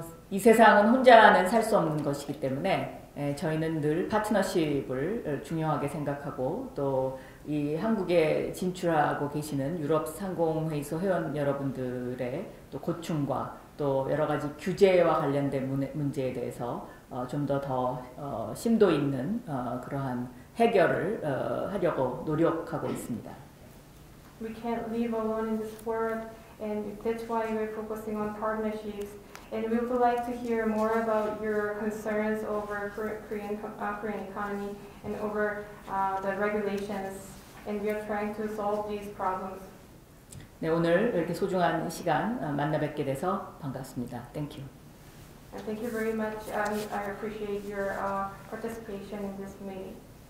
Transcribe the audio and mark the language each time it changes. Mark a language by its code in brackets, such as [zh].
[ko] 이 세상은 혼자는 살 수 없는 것이기 때문에 저희는 늘 파트너십을 중요하게 생각하고 또 이 한국에 진출하고 계시는 유럽 상공회의소 회원 여러분들의 또 고충과 또 여러 가지 규제와 관련된 문제에 대해서 좀 더 심도 있는 그러한 해결을 하려고 노력하고 있습니다. [en] We can't live alone in this world, and that's why we're focusing on partnerships. And we would like to hear more about your concerns over Korean economy and over the regulations. And we are trying to solve these problems. [ko] 네, 오늘 이렇게 소중한 시간 만나 뵙게 돼서 반갑습니다. [en] Thank you. Thank you very much. I appreciate your participation in this meeting.